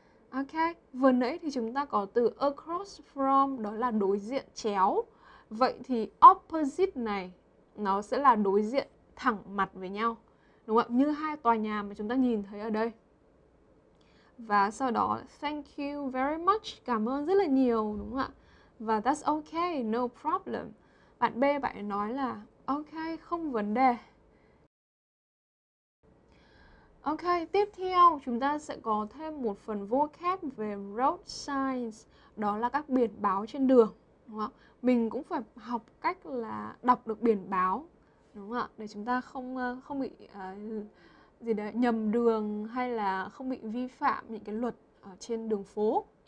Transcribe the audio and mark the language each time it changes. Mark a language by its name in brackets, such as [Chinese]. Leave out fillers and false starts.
[Vietnamese] Ok, vừa nãy thì chúng ta có từ across from, đó là đối diện chéo. Vậy thì opposite này nó sẽ là đối diện thẳng mặt với nhau, đúng không ạ? Như hai tòa nhà mà chúng ta nhìn thấy ở đây. Và sau đó [English] thank you very much, [Vietnamese] cảm ơn rất là nhiều, đúng không ạ? [English] Và that's okay, no problem. [Vietnamese] Bạn B bạn nói là ok, không vấn đề. Ok, tiếp theo chúng ta sẽ có thêm một phần vocab về road signs, đó là các biển báo trên đường, đúng không ạ? Mình cũng phải học cách là đọc được biển báo, đúng không ạ? Để chúng ta không bị gì đấy nhầm đường hay là không bị vi phạm những cái luật ở trên đường phố.